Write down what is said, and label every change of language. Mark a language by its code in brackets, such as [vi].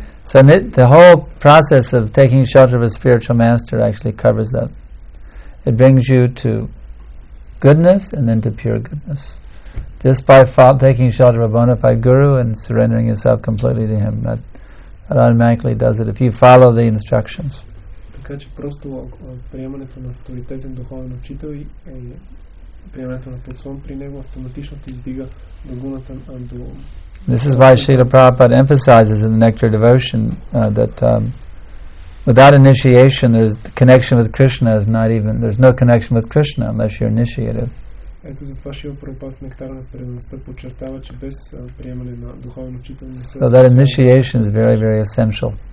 [en] So the whole process of taking shelter of a spiritual master actually covers that. It brings you to goodness and then to pure goodness. Just by taking shelter of a bona fide guru and surrendering yourself completely to him, that automatically does it if you follow the instructions. [bg] Така че просто приемането на авторитетен духовен учител и приемането на подслон при него автоматично ти издига до гуната до. [en] This is why Srila Prabhupada emphasizes in the Nectar Devotion that without initiation, there's the connection with Krishna is not even, there's no connection with Krishna unless you're initiated. [bg] Ето затова Шрила Прабхупада в Нектара на преданността подчертава, че без приемане на духовен учител не се. [en] So that initiation is very, very essential.